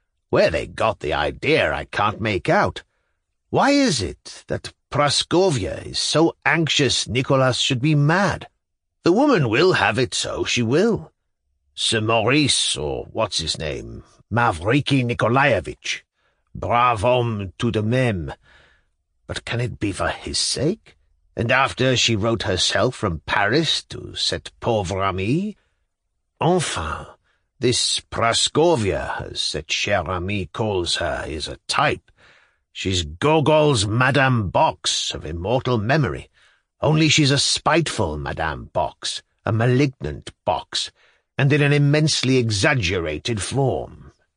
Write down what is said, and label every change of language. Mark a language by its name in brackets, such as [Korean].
[English] Where they got the idea, I can't make out. Why is it that Praskovya is so anxious Nicholas should be mad? The woman will have it so, she will. Sir Maurice, or what's his name, Mavriky Nikolaevich. [French] Brave homme tout de même. [English] But can it be for his sake? And after she wrote herself from Paris to [French] cette pauvre amie? [English] Enfin, this Praskovya, as [French] cette chère amie [English] calls her, is a type. She's Gogol's Madame Box of immortal memory, only she's a spiteful Madame Box, a malignant box, and in an immensely exaggerated form.